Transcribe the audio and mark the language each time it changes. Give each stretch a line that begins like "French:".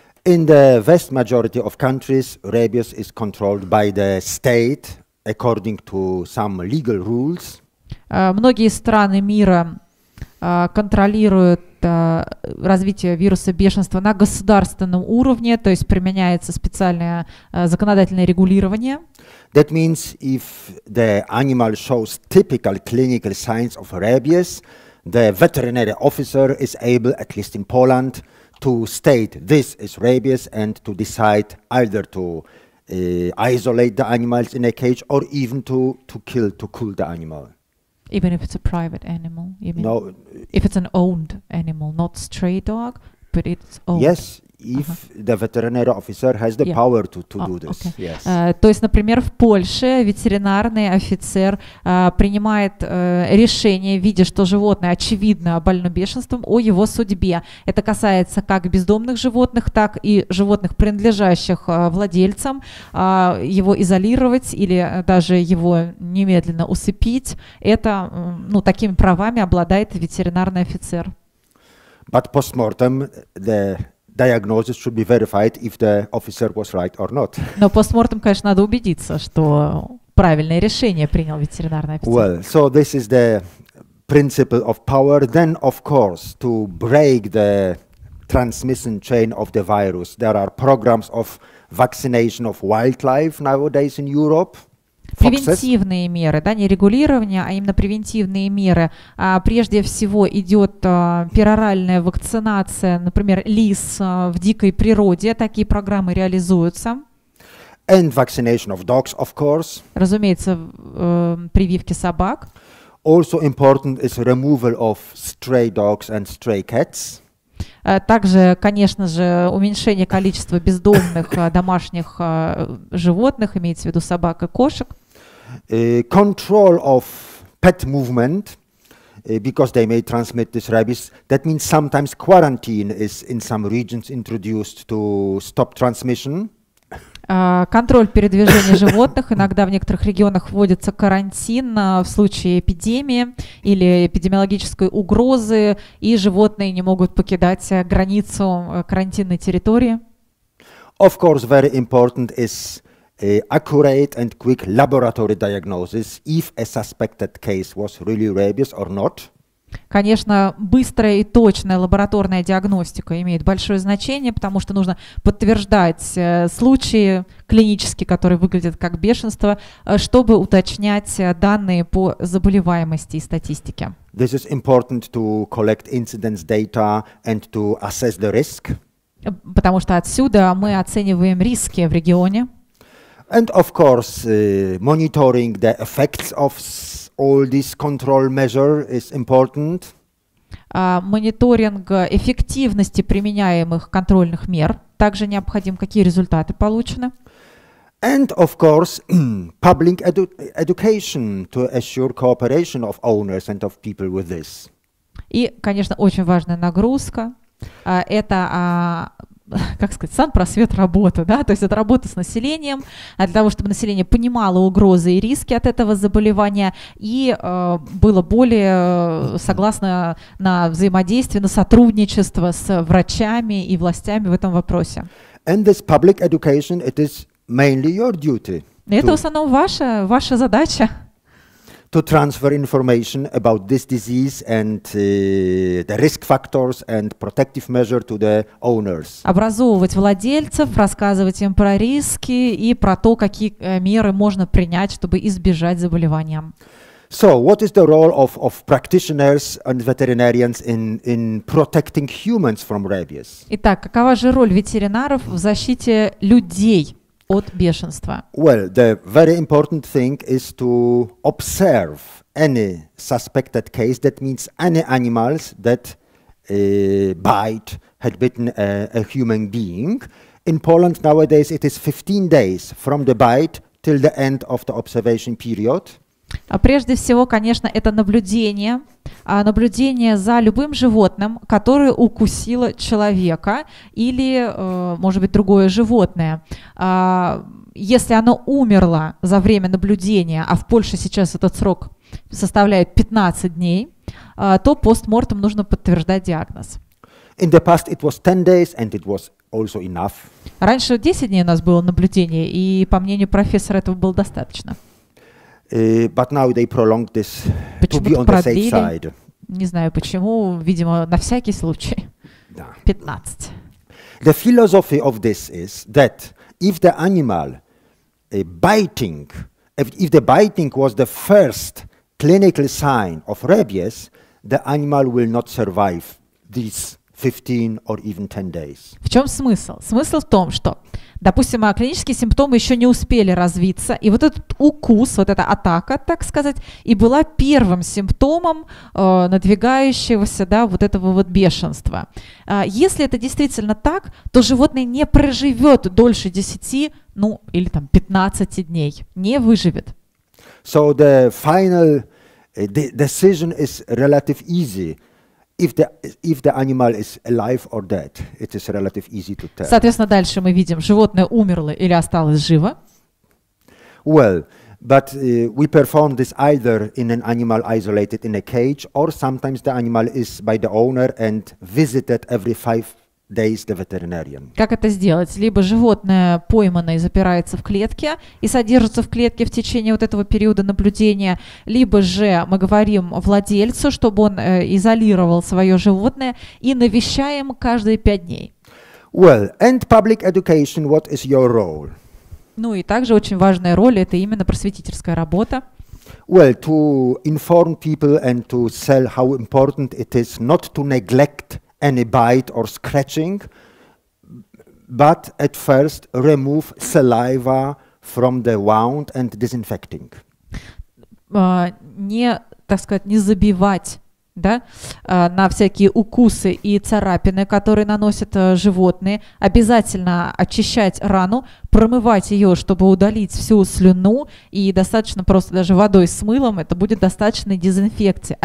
English: In the vast majority of countries, rabies is controlled by the state according to some legal rules.
Russian: Многие страны мира контролируют развитие вируса бешенства на государственном уровне, то есть применяется специальное законодательное регулирование.
English: That means if the animal shows typical clinical signs of rabies, the veterinary officer is able, at least in Poland, to state this is rabies and to decide either to isolate the animals in a cage or even to kill the animal. Even if it's a private animal, you mean? No. If it's an owned animal, not stray dog, but it's owned. Yes, if the veterinary officer has the power to do this. Okay. Yes.
Russian: То есть, например, в Польше ветеринарный офицер принимает решение, видя, что животное очевидно больно бешенством, о его судьбе. Это касается как бездомных животных, так и животных, принадлежащих владельцам, его изолировать или даже его немедленно усыпить. Это, ну, такими правами обладает ветеринарный офицер.
English: But postmortem the diagnosis should be verified if the officer was right or not.
Russian: Но постмортем, конечно, надо убедиться, что правильное решение принял ветеринарный офицер.
English: Well, so this is the principle of power. Then, of course, to break the transmission chain of the virus, there are programs of vaccination of wildlife nowadays in Europe.
Russian: Превентивные меры, да, не регулирование, а именно превентивные меры. Прежде всего идет пероральная вакцинация, например, лис в дикой природе. Такие программы реализуются.
English: And vaccination of dogs, of course.
Russian: Разумеется, прививки собак.
English: Also important is removal of stray dogs and stray cats. Также, конечно же, уменьшение количества бездомных домашних животных, имеется в виду собак и кошек. Control of pet movement, because they may transmit this rabies. That means sometimes quarantine is in some regions introduced to stop transmission.
Russian: Контроль передвижения животных. Иногда в некоторых регионах вводится карантин в случае эпидемии или эпидемиологической угрозы, и животные не могут покидать границу карантинной территории.
English: Of course, very important is accurate and quick laboratory diagnosis if a suspected case was really rabies or not.
Russian: Конечно, быстрая и точная лабораторная диагностика имеет большое значение, потому что нужно подтверждать случаи клинические, которые выглядят как бешенство, чтобы уточнять данные по заболеваемости и статистике.
English: This is important to collect incidence data and to assess the risk.
Russian: Потому что отсюда мы оцениваем риски в регионе.
English: And of course, monitoring the effects of all these control measures is important.
Russian: Мониторинг эффективности применяемых контрольных мер также необходим. Какие результаты получены?
English: And of course, public education to assure cooperation of owners and of people with this.
Russian: И, конечно, очень важная нагрузка. Это, как сказать, санпросвет работа, да, то есть это работа с населением, для того, чтобы население понимало угрозы и риски от этого заболевания и было более согласно на взаимодействие, на сотрудничество с врачами и властями в этом вопросе.
English: And this public education, it is mainly your duty.
Russian: Это в основном ваша задача.
English: To transfer information about this disease and the risk factors and protective measures to the owners.
Russian: Образовывать владельцев, рассказывать им про риски и про то, какие меры можно принять, чтобы избежать заболевания.
English: So, what is the role of practitioners and veterinarians in protecting humans from rabies?
Russian: Итак, какова же роль ветеринаров в защите людей? От бешенства.
English: Well, the very important thing is to observe any suspected case, that means any animals that bite had bitten a human being. In Poland nowadays it is 15 days from the bite till the end of the observation period.
Russian: А прежде всего, конечно, это наблюдение. Наблюдение за любым животным, которое укусило человека или, может быть, другое животное. Если оно умерло за время наблюдения, а в Польше сейчас этот срок составляет 15 дней, то постмортем нужно подтверждать диагноз.
English: In the past it was 10 days and it was also enough.
Russian: Раньше 10 дней у нас было наблюдение, и, по мнению профессора, этого было достаточно.
English: But now they prolonged this
Russian: почему
English: to be on
Russian: продлили?
English: The safe side.
Russian: Не знаю почему, видимо, на всякий случай. Да. 15.
English: The philosophy of this is that if the animal biting, if the biting was the first clinical sign of rabies, the animal will not survive these 15 or even 10 days.
Russian: В чем смысл? Смысл в том, что допустим, клинические симптомы еще не успели развиться, и вот этот укус, вот эта атака, так сказать, и была первым симптомом надвигающегося, да, вот этого вот бешенства. Если это действительно так, то животное не проживет дольше 10, ну, или там 15 дней, не выживет.
English: So the final decision is relatively easy. If the animal is alive or dead, it is relatively easy to tell.
Russian: Соответственно, дальше мы видим, животное умерло или осталось живо.
English: Well, but we perform this either in an animal isolated in a cage, or sometimes the animal is by the owner and visited every 5 days the veterinarian.
Russian: Как это сделать? Либо животное поймано и запирается в клетке и содержится в клетке в течение вот этого периода наблюдения, либо же мы говорим владельцу, чтобы он изолировал свое животное и навещаем каждые 5 дней.
English: Well, and public education, what is your role?
Russian: Ну и также очень важная роль – это именно просветительская работа.
English: Well, to inform people and to sell how important it is not to neglect any bite or scratching, but at first remove saliva from the wound and disinfecting.
Russian: Не, так сказать, не забивать, да, на всякие укусы и царапины, которые наносят животные. Обязательно очищать рану, промывать ее, чтобы удалить всю слюну, и достаточно просто даже водой с мылом, это будет достаточной дезинфекции.